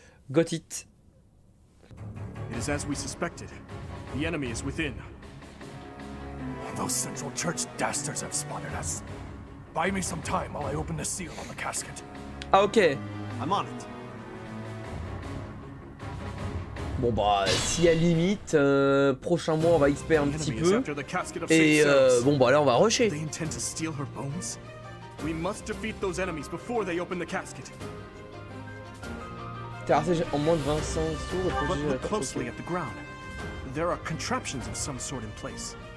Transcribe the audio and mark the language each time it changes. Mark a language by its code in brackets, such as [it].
[en] Got it. It is as we suspected. The enemy is within. Those Central Church dastards have spotted us. Buy me some time while I open the seal on the casket. Okay. I'm on it. [fr] Bon bah, si à limite, prochain mois on va XP un petit peu. Et bon bah là on va rusher. [en] They intend to steal her bones? We must defeat those enemies before they open the casket. [fr] T'as assez en moins de 25 sous. [en] But look closely at the ground. There are contraptions of some sort in place.